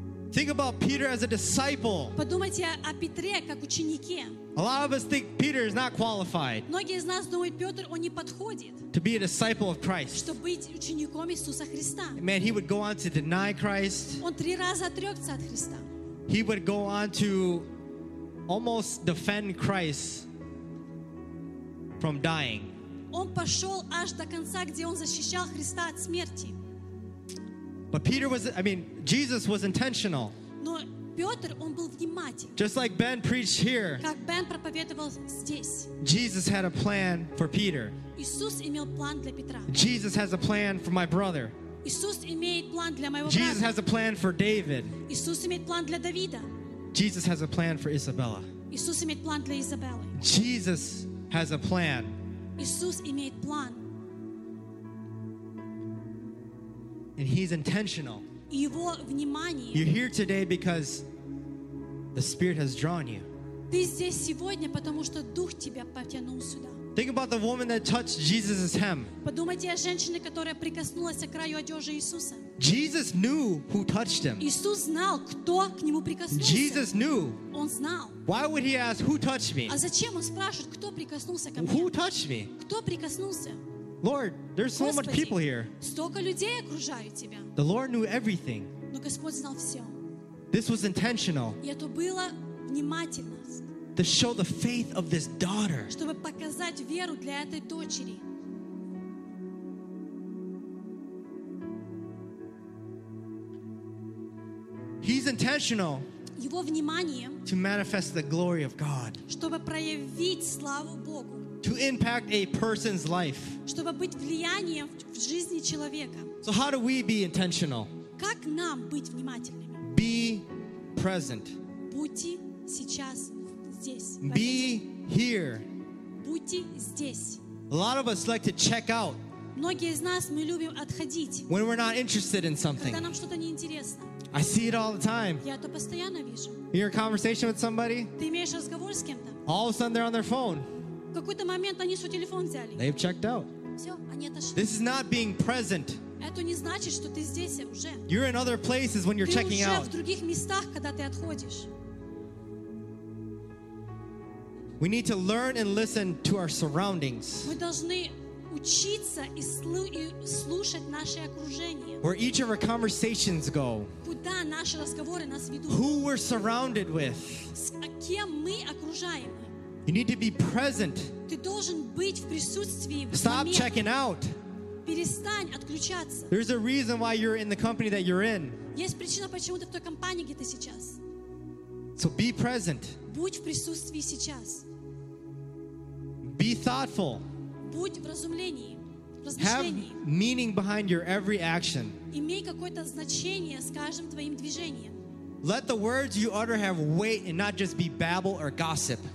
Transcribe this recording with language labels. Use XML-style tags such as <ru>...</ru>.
<en>Think about Peter as a disciple.</en> <ru>Подумайте о Петре как ученике.</ru> <en>A lot of us think Peter is not qualified.</en> <ru>Многие из нас думают, Петр, он не подходит.</ru> <en>To be a disciple of Christ.</en> <ru>Чтобы быть учеником Иисуса Христа.</ru> <en>Man, he would go on to deny Christ.</en> <ru>Он три раза отрекся от Христа.</ru> <en>He would go on to almost defend Christ from dying.</en> <ru>Он пошел аж до конца, где он защищал Христа от смерти.</ru> <en>But Peter was, I mean, Jesus was intentional.</en> <ru>Но Петр, он был внимателен.</ru> <en>Just like Ben preached here.</en> <ru>Как Бен проповедовал здесь.</ru> <en>Jesus had a plan for Peter.</en> <ru>Иисус имел план для Петра.</ru> <en>Jesus has a plan for my brother.</en> <ru>Иисус имеет план для моего брата.</ru> <en>Jesus has a plan for David.</en> <ru>Иисус имеет план для Давида.</ru> <en>Jesus has a plan for Isabella.</en> <ru>Иисус имеет план для Изабеллы.</ru> <en>Jesus has a plan.</en> <ru>Иисус имеет план.</ru> <en>And he's intentional.</en> <ru>Его внимание.</ru> <en>You're here today because the Spirit has drawn you.</en> <ru>Ты здесь сегодня, потому что Дух тебя потянул сюда.</ru> <en>Think about the woman that touched Jesus' hem.</en> <ru>Подумайте о женщине, которая прикоснулась к краю одежды Иисуса.</ru> <en>Jesus knew who touched him.</en> <ru>Иисус знал, кто к нему прикоснулся.</ru> <en>Jesus knew.</en> <ru>Он знал.</ru> <en>Why would he ask, who touched me?</en> <ru>А зачем он спрашивает, кто прикоснулся ко мне?</ru> <en>Who touched me?</en> <ru>Кто прикоснулся?</ru> <en>Lord, there's so</en> <ru>Господи,</ru> <en>much people here.</en> <ru>Столько людей окружают тебя.</ru> <en>The Lord knew everything.</en> <ru>Но Господь знал все.</ru> <en>This was intentional.</en> <ru>И это было внимательность.</ru> <en>To show the faith of this daughter.</en> <ru>Чтобы показать веру для этой дочери.</ru> <en>He's intentional.</en> <ru>Его внимание.</ru> <en>To manifest the glory of God.</en> <ru>Чтобы проявить славу Богу.</ru> <en>To impact a person's life.</en> <ru>Чтобы быть влиянием в жизни человека.</ru> <en>So how do we be intentional?</en> <ru>Как нам быть внимательными?</ru> <en>Be present.</en> <ru>Будьте сейчас здесь.</ru> <en>Be here.</en> <ru>Будьте здесь.</ru> <en>A lot of us like to check out.</en> <ru>Многие из нас мы любим отходить.</ru> <en>When we're not interested in something.</en> <ru>Когда нам что-то неинтересно.</ru> <en>I see it all the time.</en> <ru>Я это постоянно вижу.</ru> <en>You're in conversation with somebody.</en> <ru>Ты имеешь разговор с кем-то.</ru> <en>All of a sudden they're on their phone.</en> <ru>В какой-то момент они свой телефон взяли.</ru> <en>They've checked out.</en> <ru>Все, они отошли.</ru> <en>This is not being present.</en> <ru>Это не значит, что ты здесь уже.</ru> <en>You're in other places when you're checking out.</en> <ru>Ты уже в других местах, когда ты отходишь.</ru> <en>We need to learn and listen to our surroundings.</en> <ru>Мы должны учиться и слушать наше окружение.</ru> <en>Where each of our conversations go.</en> <ru>Куда наши разговоры нас ведут.</ru> <en>Who we're surrounded with.</en> <ru>С кем мы окружаем.</ru> <en>You need to be present.</en> <ru>Ты должен быть в присутствии.</ru> <en>Stop checking out.</en> <ru>Перестань отключаться.</ru> <en>There's a reason why you're in the company that you're in.</en> <ru>Есть причина, почему ты в той компании, где ты сейчас.</ru> <en>So be present.</en> <ru>Будь в присутствии сейчас.</ru> <en>Be thoughtful.</en> <ru>Будь в разумлении.</ru> <en>Have meaning behind your every action.</en> <ru>Имей какое-то значение с каждым твоим движением.</ru> <en>Let the words you utter have weight and not just be babble or gossip.</en>